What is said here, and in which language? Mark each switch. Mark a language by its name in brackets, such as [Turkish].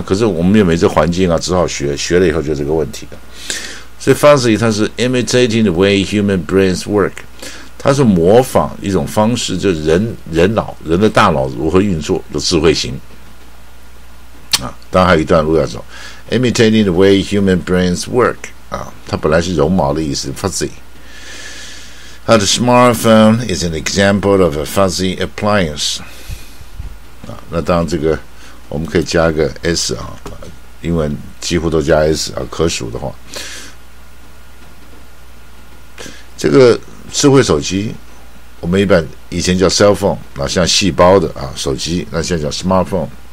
[Chinese] 可是我们也没这环境啊，只好学，学了以后就这个问题了。所以 fuzzy 它是 [English] imitating the way human brains work， [Chinese] 它是模仿一种方式，就是人的大脑如何运作的智慧型啊。当然还有一段路要走。 [English] imitating the way human brains work [Chinese] 啊，它本来是绒毛的意思 fuzzy。它的 [English] smartphone is an example of a fuzzy appliance [Chinese] 啊，那当然这个我们可以加个 s 啊，英文几乎都加 s 啊，可数的话。这个智慧手机，我们一般以前叫 cell phone， 那像细胞的啊手机，那现在叫 smartphone。